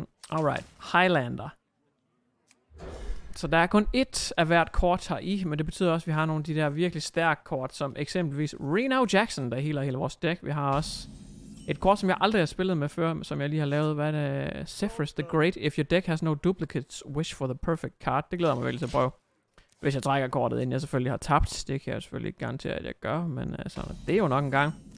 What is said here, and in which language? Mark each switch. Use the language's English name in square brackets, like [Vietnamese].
[Danish] Alright, Highlander. Så der er kun ét af hvert kort her i, men det betyder også, at vi har nogle af de der virkelig stærke kort, som eksempelvis Reno Jackson, der healer hele vores deck. Vi har også et kort, som jeg aldrig har spillet med før, som jeg lige har lavet. Hvad er det? Zephyrus the Great. [English] If your deck has no duplicates, wish for the perfect card. [Danish] Det glæder mig virkelig til at prøve. Hvis jeg trækker kortet ind, jeg selvfølgelig har tabt. Det kan jeg selvfølgelig ikke garantere, at jeg gør, men sådan, det er jo nok en gang.